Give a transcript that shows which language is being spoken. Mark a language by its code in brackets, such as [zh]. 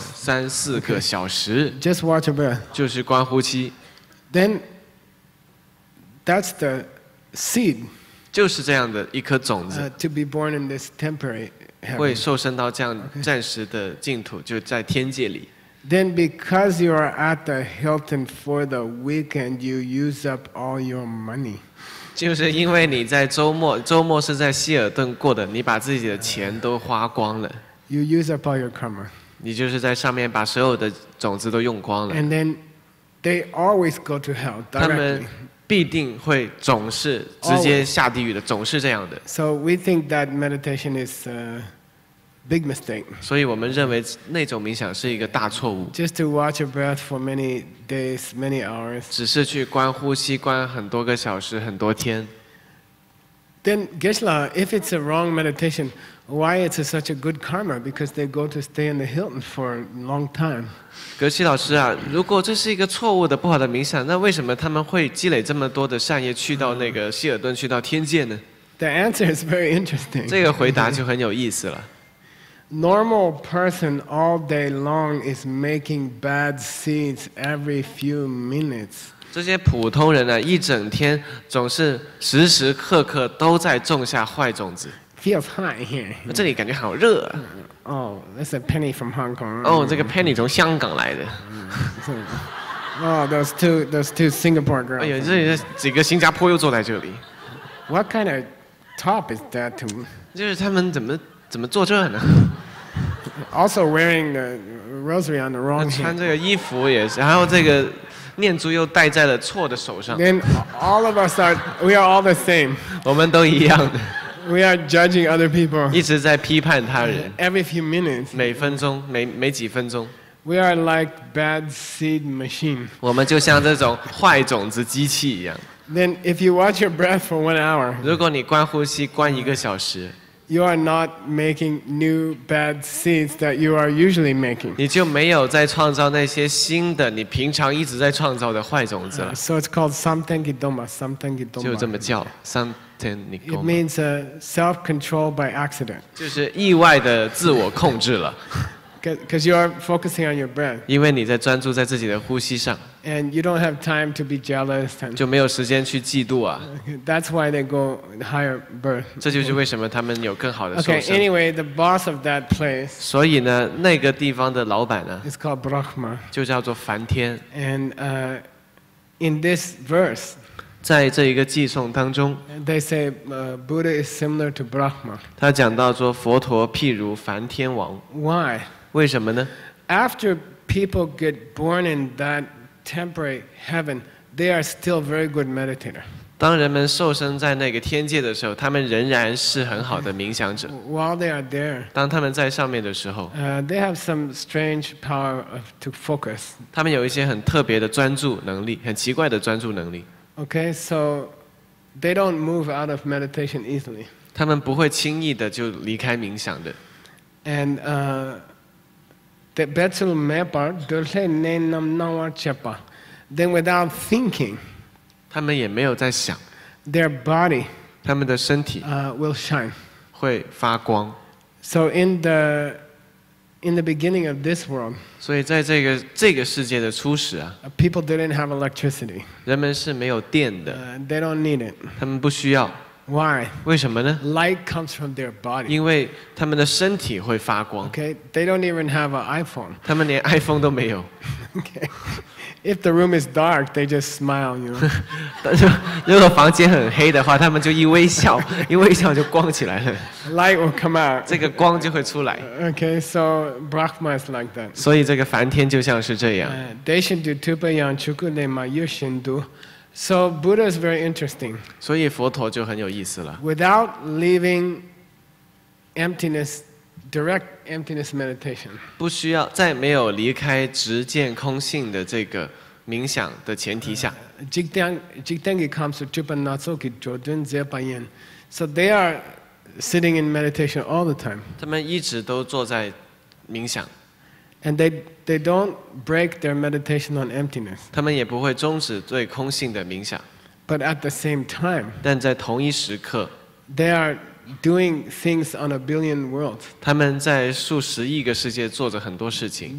[zh] 三四个小时。 [en] Okay. Just watch your breath. [zh] 就是观呼吸。 [en] Then, that's the seed. [zh] 就是这样的一颗种子。 [en] To be born in this temporary heaven. [zh] 会受生到这样暂时的净土，就在天界里。 [en] Then, because you are at the Hilton for the weekend, you use up all your money. [zh] 就是因为你在周末是在希尔顿过的，你把自己的钱都花光了。 [en] You use up all your karma. [zh] 你就是在上面把所有的种子都用光了。 [en] And then they always go to hell directly. [zh] 他们必定会总是直接下地狱的，总是这样的。 [en] So we think that meditation is big mistake. [zh] 所以我们认为那种冥想是一个大错误。 [en] Just to watch your breath for many days, many hours. [zh] 只是去观呼吸，观很多个小时，很多天。 [en] Then Geshe-la, if it's a wrong meditation, why it's such a good karma? Because they go to stay in the Hilton for a long time. [zh] 格西老师啊，如果这是一个错误的、不好的冥想，那为什么他们会积累这么多的善业，去到那个希尔顿，去到天界呢？ [en] The answer is very interesting. [zh] 这个回答就很有意思了。 [en] Normal person all day long is making bad seeds every few minutes. [zh] 这些普通人呢，一整天总是时时刻刻都在种下坏种子。 [en] Feels hot here. [zh] 这里感觉好热、啊。 [en] Oh, that's a penny from Hong Kong. [zh] 哦，这个 penny 从香港来的。 [en] Oh, those two Singapore girls. [zh] 哎呀，这里几个新加坡又坐在这里。 [en] What kind of top is that to? [zh] 就是他们怎么坐这呢？ [en] Also wearing the rosary on the wrong hand. [zh] 穿这个衣服也是，然后这个念珠又戴在了错的手上。 [en] Then all of us are, we are all the same. [zh] 我们都一样的。 [en] We are judging other people. [zh] 一直在批判他人。 [en] Every few minutes. [zh] 每分钟，每几分钟。 [en] We are like bad seed machine. [zh] 我们就像这种坏种子机器一样。 [en] Then if you watch your breath for 1 hour. [zh] 如果你观呼吸观一个小时。 [en] You are not making new bad seeds that you are usually making. [zh] 你就没有在创造那些新的你平常一直在创造的坏种子了。 [en] So it's called samtengidoma. [zh] 就这么叫 samtengidoma. [en] It means a self-control by accident. [zh] 就是意外的自我控制了。 [en] Because you are focusing on your breath. [zh] 因为你在专注在自己的呼吸上。 [en] And you don't have time to be jealous. [zh] 就没有时间去嫉妒啊。 [en] That's why they go higher birth. [zh] 这就是为什么他们有更好的 [en] 受生。Okay, anyway, the boss of that place. [zh] 所以呢，那个地方的老板呢 [en] ？It's called Brahma. [zh] 就叫做梵天。 [en] And in this verse. [zh] 在这一个寄送当中 [en] ，They say Buddha is similar to Brahma. [zh] 他讲到说，佛陀譬如梵天王。 [en] Why? [zh] 为什么呢 [en] ？After people get born in that temporary heaven, they are still very good meditator. [zh] 当人们受生在那个天界的时候，他们仍然是很好的冥想者。 [en] While they are there, [zh] 当他们在上面的时候 [en] they have some strange power to focus. [zh] 他们有一些很特别的专注能力，很奇怪的专注能力。 [en] Okay, so they don't move out of meditation easily. [zh] 他们不会轻易的就离开冥想的。 [en] And Then without thinking, [zh] 他们也没有在想 [en] their body, [zh] 他们的身体 [en] will shine, [zh] 会发光 [en] So in the beginning of this world, [zh] 所以在这个世界的初始啊 [en] people didn't have electricity, [zh] 人们是没有电的 [en] they don't need it, [zh] 他们不需要 [en] Why? [zh] 为什么呢 [en] Light comes from their body. [zh] 因为他们的身体会发光 [en] Okay, they don't even have an iPhone. [zh] 他们连 iPhone 都没有 [en] Okay, if the room is dark, they just smile, you know. [zh] 如果房间很黑的话，他们就一微笑，一微笑就光起来了 [en] Light will come out. [zh] 这个光就会出来 [en] Okay, so Brahma is like that. [zh] 所以这个梵天就像是这样 [en] They should do tupayan chukulema yushindu. So Buddha is very interesting. [zh] 所以佛陀就很有意思了。 [en] Without leaving emptiness, direct emptiness meditation. [zh] 不需要在没有离开直见空性的这个冥想的前提下。 Jigtengi comes to Chupan Natsoki Jodun Zepayin. [en] So they are sitting in meditation all the time. [zh] 他们一直都坐在冥想。 [en] And they don't break their meditation on emptiness. [zh] 他们也不会终止对空性的冥想。 [en] But at the same time, [zh] 但在同一时刻 [en] they are doing things on a billion worlds. [zh] 他们在数十亿个世界做着很多事情。